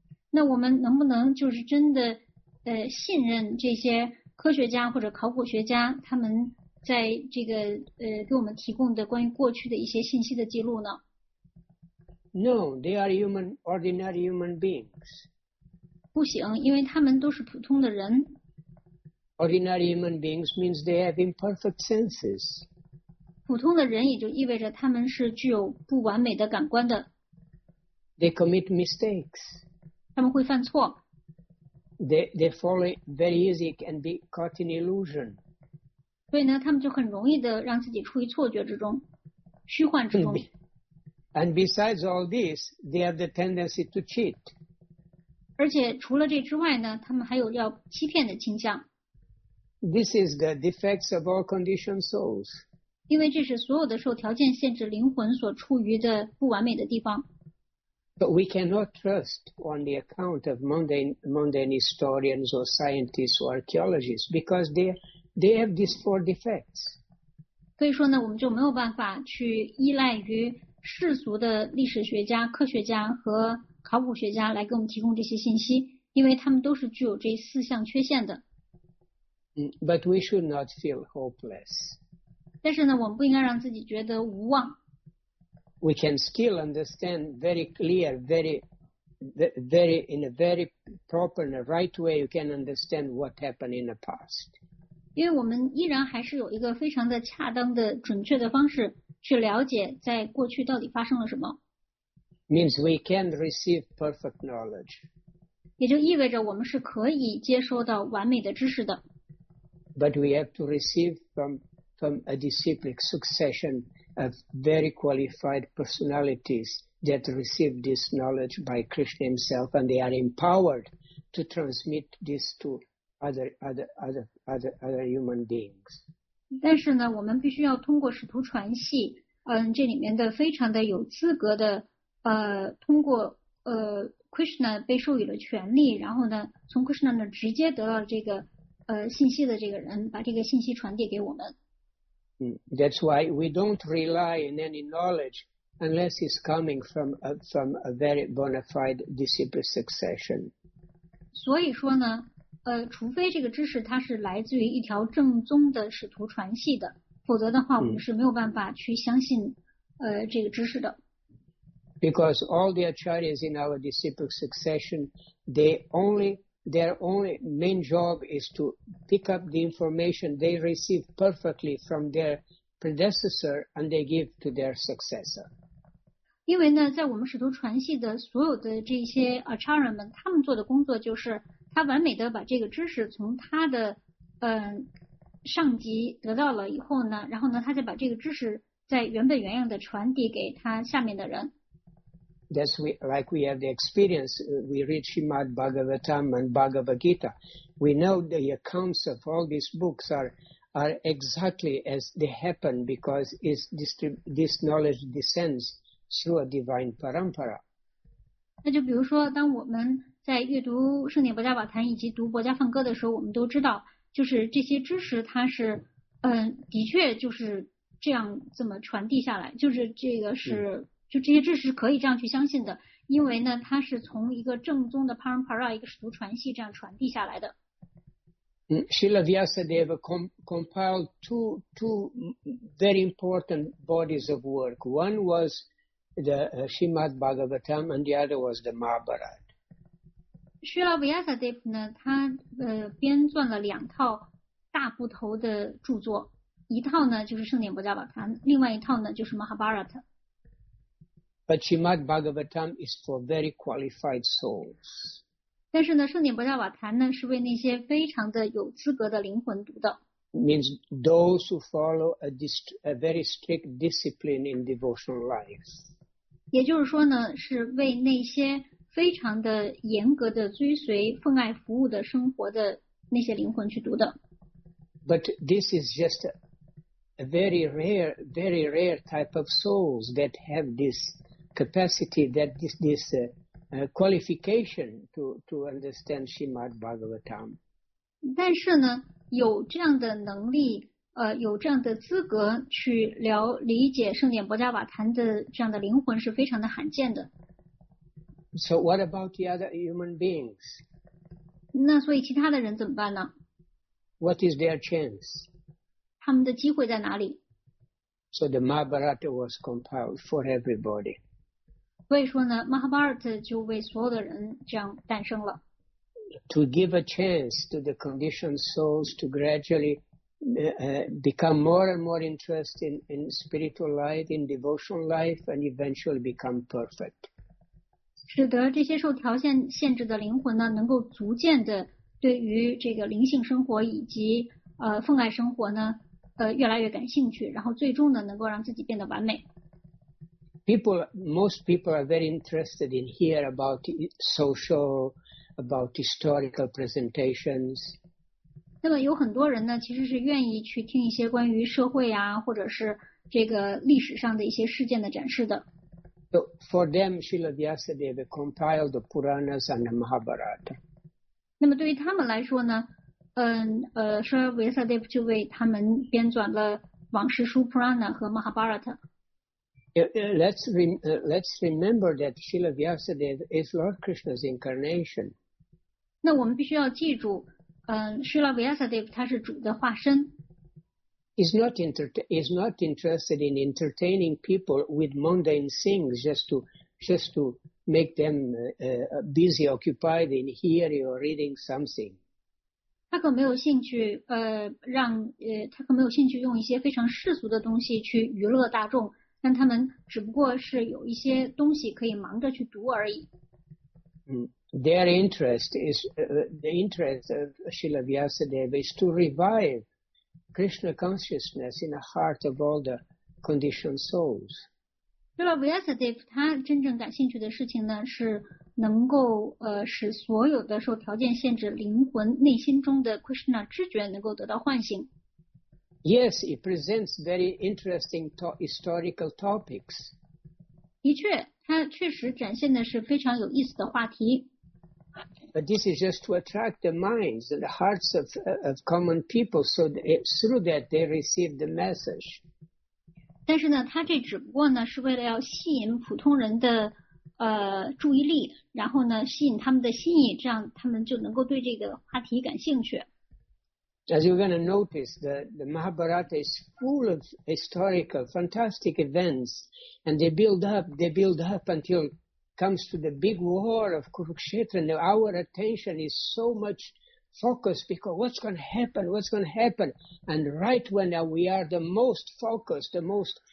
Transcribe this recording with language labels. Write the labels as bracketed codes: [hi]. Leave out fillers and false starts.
[zh] 那我们能不能就是真的信任这些科学家或者考古学家他们在这个给我们提供的关于过去的一些信息的记录呢？ [en] No, they are human, ordinary human beings. [zh] 不行，因为他们都是普通的人。 [en] Ordinary human beings means they have imperfect senses. [zh] 普通的人也就意味着他们是具有不完美的感官的。 [en] They commit mistakes. [zh] 他们会犯错。 [en] They fall very easy and be caught in illusion. [zh] 所以呢，他们就很容易的让自己处于错觉之中，虚幻之中。 [en] And besides all this, they have the tendency to cheat. [zh] 而且除了这之外呢，他们还有要欺骗的倾向。 [en] This is the defects of all conditioned souls. [zh] 因为这是所有的受条件限制灵魂所处于的不完美的地方。 [en] But we cannot trust on the account of mundane historians or scientists or archaeologists because they have these four defects. [zh] 所以说呢，我们就没有办法去依赖于世俗的历史学家、科学家和考古学家来给我们提供这些信息，因为他们都是具有这四项缺陷的。 [en] But we should not feel hopeless. [zh] 但是呢，我们不应该让自己觉得无望。 [en] We can still understand very clear, very in a very proper and right way. You can understand what happened in the past. [zh] 因为我们依然还是有一个非常的恰当的、准确的方式去了解在过去到底发生了什么。 [en] Means we can receive perfect knowledge. [zh] 也就意味着我们是可以接收到完美的知识的。 [en] But we have to receive from a disciplic succession. Of very qualified personalities that receive this knowledge by Krishna himself, and they are empowered to transmit this to other human beings. [zh] 但是呢，我们必须要通过使徒传系，这里面的非常的有资格的，通过Krishna 被授予了权利，然后呢，从 Krishna 那直接得到这个信息的这个人，把这个信息传递给我们。 [en] That's why we don't rely on any knowledge unless it's coming from a very bona fide disciple succession. [zh] 所以说呢，除非这个知识它是来自于一条正宗的使徒传系的，否则的话，我们是没有办法去相信这个知识的。 [en] Because all the acharyas in our disciple succession, Their only main job is to pick up the information they receive perfectly from their predecessor and they give to their successor. [zh] 因为呢，在我们使徒传系的所有的这些Acharya们，他们做的工作就是，他完美的把这个知识从他的上级得到了以后呢，然后呢，他再把这个知识在原本原样的传递给他下面的人。 [en] That's like we have the experience. We read Srimad Bhagavatam and Bhagavad Gita. We know the accounts of all these books are exactly as they happen because this knowledge descends through a divine parampara. [zh] 那就比如说，当我们在阅读圣典《薄伽瓦坛》以及读《薄伽梵歌》的时候，我们都知道，就是这些知识它是，的确就是这样这么传递下来，就是这个是。就这些知识可以这样去相信的，因为呢，它是从一个正宗的 Parampara 一个使徒传系这样传递下来的。 [en] Srila Vyasadeva compiled two very important bodies of work. One was the Srimad Bhagavatam and the other was the Mahabharata. [zh] Srila Vyasadeva 呢，他编撰了两套大部头的著作，一套呢就是圣典薄伽瓦坛，另外一套呢就是 Mahabharata。 [en] But Srimad Bhagavatam is for very qualified souls. [zh] 但是呢，圣典薄伽瓦坛呢是为那些非常的有资格的灵魂读的。 [en] Means those who follow a very strict discipline in devotional life. [zh] 也就是说呢，是为那些非常的严格的追随奉爱服务的生活的那些灵魂去读的。 [en] But this is just a very rare type of souls that have this. Capacity that this qualification to understand Srimad Bhagavatam. [zh] 但是呢，有这样的能力，有这样的资格去理解圣典薄伽瓦坛的这样的灵魂是非常的罕见的。 [en] So what about the other human beings? [zh] 那所以其他的人怎么办呢 [en] ？What is their chance? [zh] 他们的机会在哪里 [en] ？So the Mahabharata was compiled for everybody. [zh] 所以说呢 ，Mahabharata 就为所有的人这样诞生了。 [en] To give a chance to the conditioned souls to gradually become more and more interested in spiritual life, in devotional life, and eventually become perfect. [zh] 使得这些受条件限制的灵魂呢，能够逐渐的对于这个灵性生活以及奉爱生活呢，越来越感兴趣，然后最终呢，能够让自己变得完美。 [en] Most people are very interested in hear about social, about historical presentations. [zh] 那么有很多人呢，其实是愿意去听一些关于社会啊，或者是这个历史上的一些事件的展示的。 [en] So for them, Srila Vyasadeva compiled the Puranas and the Mahabharata. [zh] 那么对于他们来说呢，Srila Vyasadeva 就为他们编纂了《往事书》Purana 和 Mahabharata。 [en] Let's remember that Srila Vyasadeva is Lord Krishna's incarnation. [zh] 那我们必须要记住，Srila Vyasadeva 他是主的化身。 [en] He's not interested in entertaining people with mundane things just to make them busy occupied in hearing or reading something. [zh] 他可没有兴趣他可没有兴趣用一些非常世俗的东西去娱乐大众。但他们只不过是有一些东西可以忙着去读而已。 [en] Their interest is the interest of Srila Vyasadeva is to revive Krishna consciousness in the heart of all the conditioned souls. [zh] Srila Vyasadeva 他真正感兴趣的事情呢，是能够使所有的受条件限制灵魂内心中的 Krishna 知觉能够得到唤醒。 [en] Yes, it presents very interesting historical topics. [zh] 的确，它确实展现的是非常有意思的话题。 [en] But this is just to attract the minds and the hearts of common people, so through that they receive the message. [zh] 但是呢，它这只不过呢是为了要吸引普通人的注意力，然后呢吸引他们的心意，这样他们就能够对这个话题感兴趣。 [en] As you're going to notice, the Mahabharata is full of historical, fantastic events, and they build up until comes to the big war of Kurukshetra. Now our attention is so much focused because what's going to happen? What's going to happen? And right when we are the most focused, the most